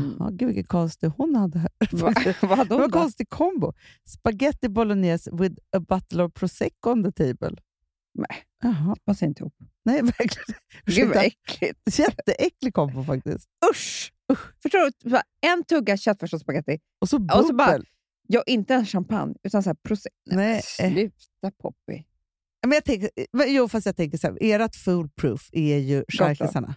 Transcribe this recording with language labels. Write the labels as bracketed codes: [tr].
[sv] Gud, vilken konstig hon hade här. Vad hade hon då? En konstig kombo. [en] Spaghetti bolognese with a bottle of prosecco on the table. [sv] Nej, vad säger inte ihop. Nej, verkligen. Gud, vad äckligt. Jätteäcklig kombo faktiskt. Usch! Förstår du, en tugga köttfärs och spaghetti. Och så bubbel. Och så bara, ja, inte en champagne, utan så här prosecco. Nej. Sluta, Poppy. Men jag tänker, jo, fast jag tänker så här, ert foolproof är ju charkisarna.